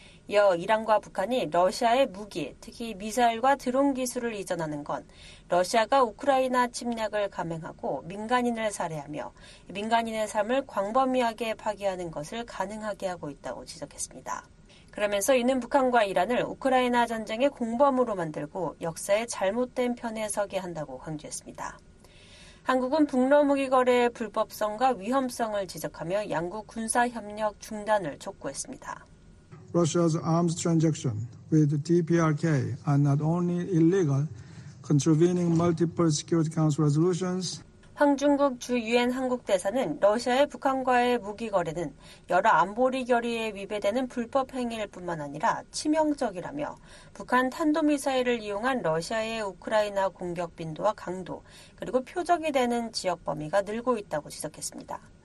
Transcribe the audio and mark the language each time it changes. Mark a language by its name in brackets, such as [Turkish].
[Korean] 이어 이란과 북한이 러시아의 무기, 특히 미사일과 드론 기술을 이전하는 건 러시아가 우크라이나 침략을 감행하고 민간인을 살해하며 민간인의 삶을 광범위하게 파괴하는 것을 가능하게 하고 있다고 지적했습니다. 그러면서 이는 북한과 이란을 우크라이나 전쟁의 공범으로 만들고 역사의 잘못된 편에 서게 한다고 강조했습니다. 한국은 북러 무기 거래의 불법성과 위험성을 지적하며 양국 군사 협력 중단을 촉구했습니다. [English] Russia's arms transaction with DPRK are not only illegal, contravening multiple Security Council resolutions. [Korean] 황중국 주 유엔 한국 대사는 러시아의 북한과의 무기 거래는 여러 안보리 결의에 위배되는 불법 행위일 뿐만 아니라 치명적이라며 북한 탄도미사일을 이용한 러시아의 우크라이나 공격 빈도와 강도 그리고 표적이 되는 지역 범위가 늘고 있다고 지적했습니다.